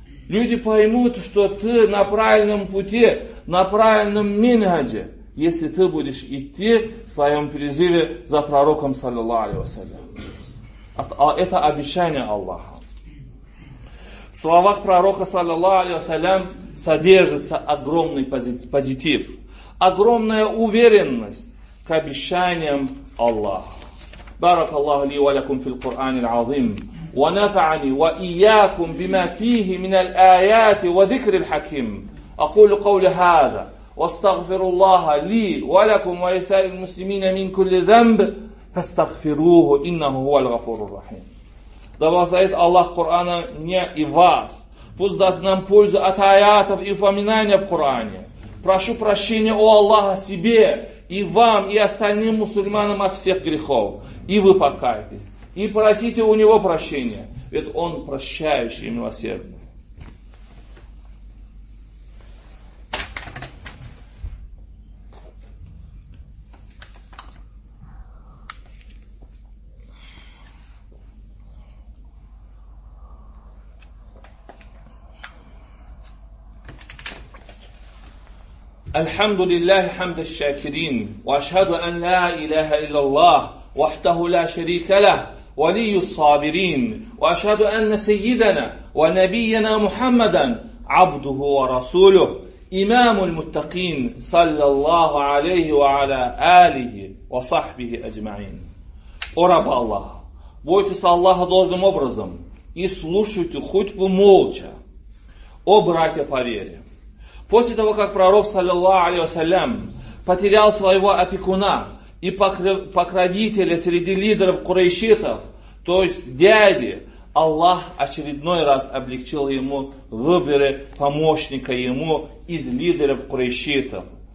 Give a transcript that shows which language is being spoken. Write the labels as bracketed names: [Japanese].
[Russian] Люди поймут, что ты на правильном пути, на правильном минхаджи, если ты будешь идти в своем призыве за пророком, саллиллаху алейхи вассалям. Это обещание Аллаха. В словах пророка, саллиллаху алейхи вассалям, содержится огромный позитив, огромная уверенность к обещаниям Аллаха. [Arabic] بارك الله لي ولكم في القرآن العظيم ونفعني وإياكم بما فيه من الآيات وذكر الحكيم أقول قولي هذا واستغفر الله لي ولكم ولسائر المسلمين من كل ذنب فاستغفروه إنه هو الغفور الرحيم دبازايت الله قرآن [Russian] не и вас пусть даст нам пользу от аятов и упоминания в Коране прошу прощения у Аллаха себе и вам, и остальным мусульманам от всех грехов. И вы покаетесь. И просите у него прощения. Ведь он прощающий и милосердный. [Arabic] الحمد لله حمد الشاكرين وأشهد أن لا إله إلا الله وحده لا شريك له ولي الصابرين وأشهد أن سيدنا ونبينا محمدا عبده ورسوله إمام المتقين صلى الله عليه وعلى آله وصحبه أجمعين أرب الله بويتس الله [Russian] должным образом и слушайте хутбу молча. О братья по вере, после того, как пророк, саллиллаху алейхи вассалям, потерял своего опекуна и покровителя среди лидеров курайшитов, то есть дяди, Аллах очередной раз облегчил ему выборы помощника ему из лидеров курайшитов.